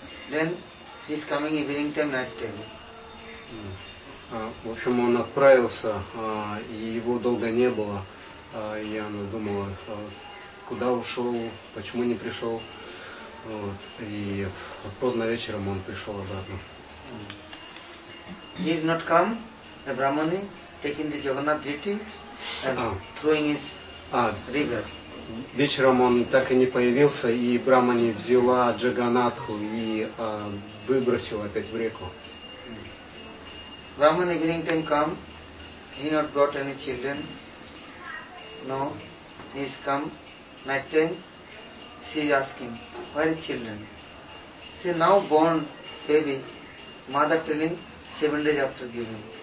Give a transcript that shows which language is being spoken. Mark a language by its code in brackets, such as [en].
[en] Then he is coming evening time, night time. [ru] В общем, он отправился, и его долго не было. И она думала, куда ушел, почему не пришел. Вот. И поздно вечером он пришел обратно. [en] He is not come, a brahmani, taking the Jagannath deity and throwing his river. [ru] Вечером он так и не появился, и брамани взяла Джаганатху и выбросила опять в реку. [en] Brahmani evening time come, he not brought any children. No, he is come, night time, she is asking, where is children? She now born baby, mother telling, 7 days after giving.